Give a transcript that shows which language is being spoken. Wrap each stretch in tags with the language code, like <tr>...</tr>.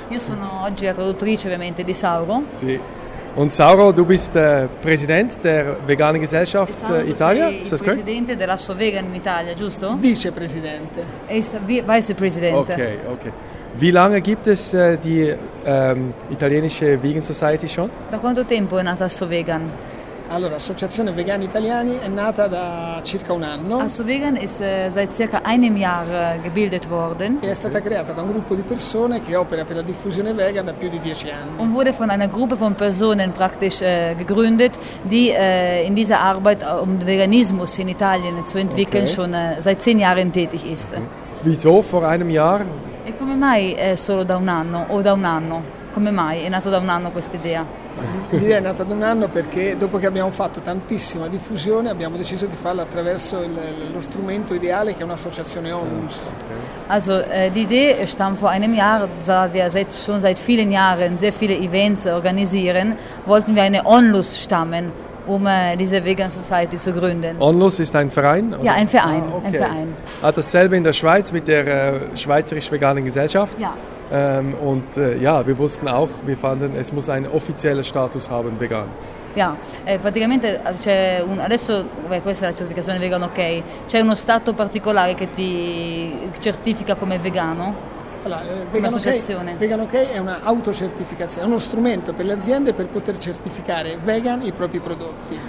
<it>Io sono oggi la traduttrice ovviamente di Sauro. Sì.</it> <de>Und Sauro, du bist der Präsident der veganen Gesellschaft Italia, ist das korrekt?</de> <it>Presidente della Asso Vegan in Italia, giusto? Vicepresidente. E Vice Presidente. Okay, okay.</it> <de>Wie lange gibt es die italienische Vegan Society schon?</de> <it>Da quanto tempo è nata Asso Vegan? Allora, Associazione Vegani Italiani è nata da circa un anno.</it> <de>Asso Vegan ist seit circa einem Jahr gebildet worden.</de> <it>E è stata creata da un gruppo di persone che opera per la diffusione vegan da più di 10 anni.</it> <de>Und wurde von einer Gruppe von Personen praktisch gegründet, die in dieser Arbeit um Veganismus in Italien zu entwickeln schon seit 10 Jahren tätig ist. Wieso vor einem Jahr?</de> <it>E come mai è solo da un anno o da un anno? Come mai è nato da un anno questa idea? L'idea è nata da un anno perché dopo che abbiamo fatto tantissima diffusione abbiamo deciso di farla attraverso lo strumento ideale che è un'associazione Onlus.</it> <de>Also die Idee stammt vor einem Jahr, da wir schon seit vielen Jahren sehr viele Events organisieren, wollten wir eine Onlus stammen, um diese Vegan Society zu gründen. Onlus ist ein Verein? Oder? Ja, ein Verein. Ah, okay. Ein Verein. Ah, dasselbe in der Schweiz mit der Schweizerisch-Veganen Gesellschaft? Ja. Ja, wir wussten auch, wir fanden, es muss einen offiziellen Status haben, vegan.</de> <it>Ja, praticamente c'è un adesso questa è la certificazione vegan, ok. C'è uno stato particolare che ti certifica come vegano? Allora, Vegan OK è una autocertificazione, è uno strumento per le aziende per poter certificare vegan i propri prodotti.</it>